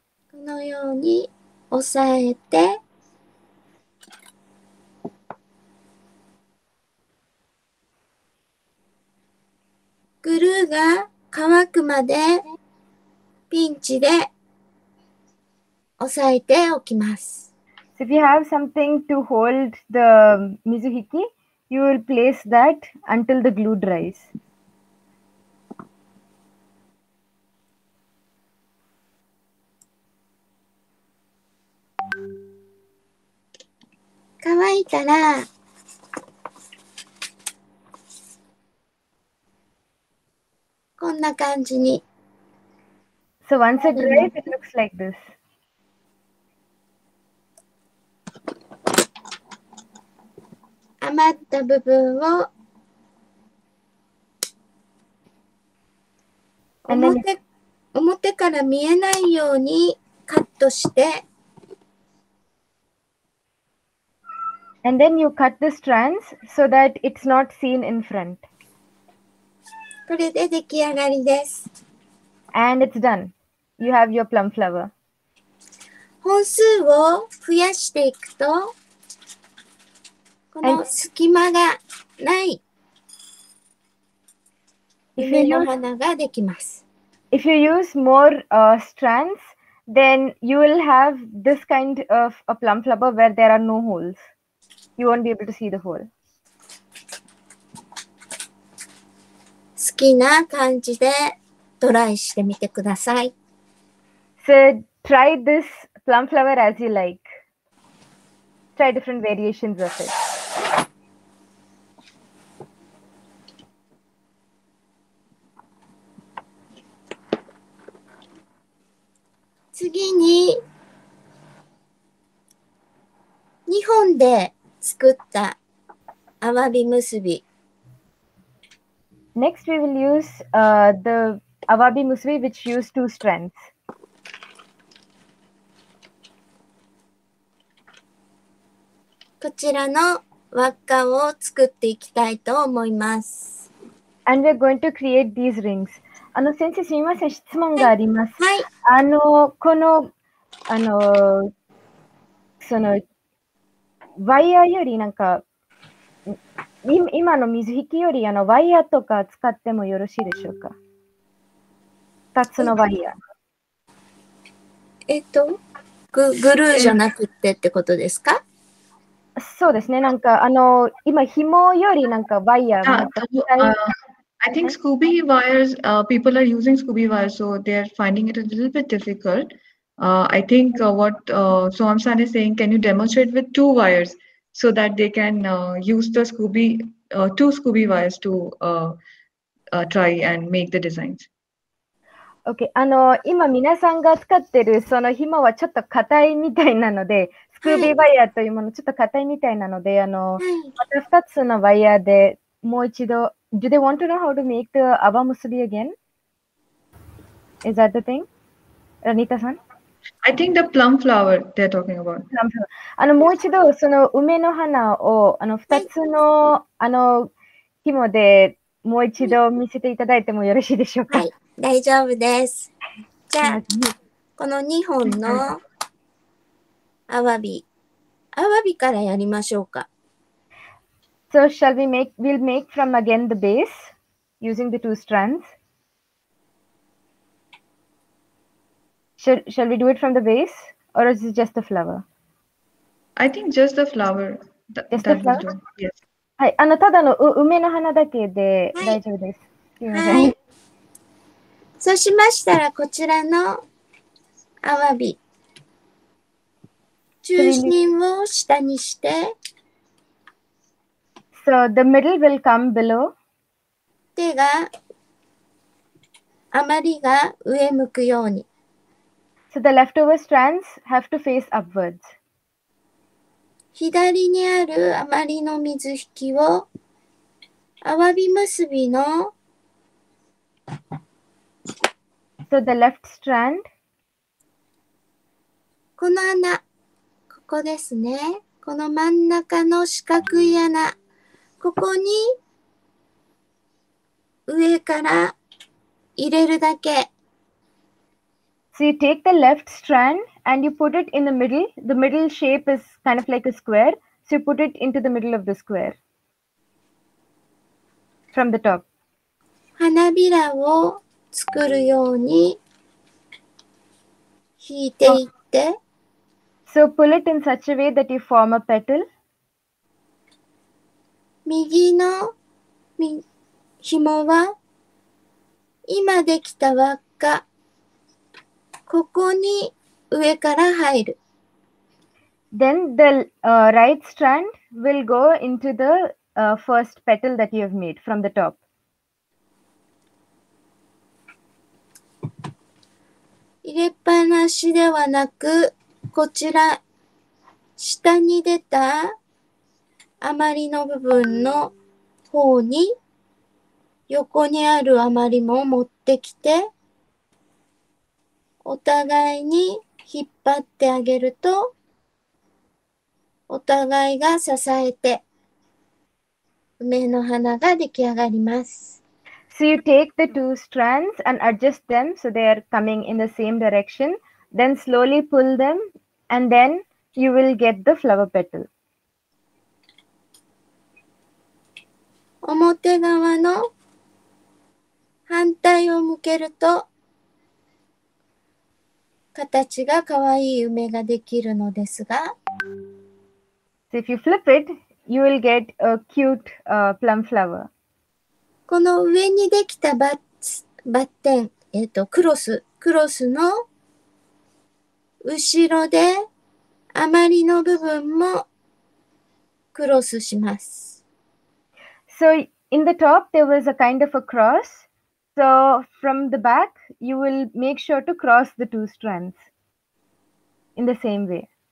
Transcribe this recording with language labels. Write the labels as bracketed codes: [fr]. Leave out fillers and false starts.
[ja] このように押さえて、グルーが乾くまでピンチで押さえておきます。 [en] So if you have something to hold the 水引き, you will place that until the glue dries. [ja] かわいたら、こんな感じに。 [en] So once it dries, it looks like this. [ja] った部分を表から見えないようにカットして。 [en] And then you cut the strands so that it's not seen in front. [ja] これで出来上がりです。 [en] And it's done. You have your plum flower. [ja] 本数を増やしていくと、この隙間がない梅の花ができます。 [en] If you use more strands, then you will have this kind of a plum flower where there are no holes. You won't be able to see the hole. [ja] 好きな感じでトライしてみてください。 [en] So, try this plum flower as you like. Try different variations of it. [ja] 次に日本で作ったアワビ結び。 [en] Next, we will use、the アワビ結び which use two strands. [ja] こちらの輪っかを作っていきたいと思います。 [en] And we're going to create these rings. [ja] あの先生すみません質問があります。はい。あのこのあのそのワイヤーよりなんか今の水引きよりあのワイヤーとか使ってもよろしいでしょうか。 2つのワイヤー。グルーじゃなくてってことですか。そうですね。なんかあの今紐よりなんかワイヤーが使える。 [en] I think Scooby wires,、people are using Scooby wires, so they're finding it a little bit difficult.、I think、what、Soham San is saying, can you demonstrate with two wires so that they can、use the Scooby,、two Scooby wires to、try and make the designs? [ja] Okay, 今皆さんが使ってるその紐はちょっと硬いみたいなので、Scooby wire というものちょっと硬いみたいなので、また2つのワイヤーでもう一度 [en] Do they want to know how to make the Awa Musubi again? Is that the thing? Ranita-san? I think the plum flower they're talking about. Plum flower. [ja] もう一度、その梅の花を2つの紐でもう一度見せていただいてもよろしいでしょうか？はい、大丈夫です。じゃあ、この2本のアワビ。アワビからやりましょうか。 [en] So shall we make, we'll make from again the base using the two strands. Shall we do it from the base or is it just the flower? I think just the flower. Just the flower? Yes. [ja] はい、ただの梅の花だけで大丈夫です。はい。そうしましたらこちらのアワビ。中心を下にして。 [en] So the middle will come below. [ja] 手があまりが上向くように。 [en] So the leftover strands have to face upwards. [ja] 左にあるあまりの水引きをアワビ結びの。 [en] So the left strand. [ja] この穴、ここですね。この真ん中の四角い穴。ここに上から入れるだけ。 [en] So you take the left strand and you put it in the middle. The middle shape is kind of like a square. So you put it into the middle of the square. From the top. [ja] 花びらを作るように引いていって。 [en] So pull it in such a way that you form a petal. [ja] 右の紐は今できた輪っか、ここに上から入る。 [en] Then the、right strand will go into the、first petal that you have made from the top. [ja] 入れっぱなしではなく、こちら下に出たあまりの部分の方に横にあるあまりも持ってきてお互いに引っ張ってあげるとお互いが支えて梅の花が出来上がります。 [en] So you take the two strands and adjust them so they are coming in the same direction. Then slowly pull them and then you will get the flower petal. [ja] 表側の反対を向けると形がかわいい梅ができるのですが。 [en] So if you flip it, you will get a cute、plum flower. [ja] この上にできたバッテン、クロスの後ろで余りの部分もクロスします。 [en] So in the top there was a kind of a cross. So from the back you will make sure to cross the two strands in the same way.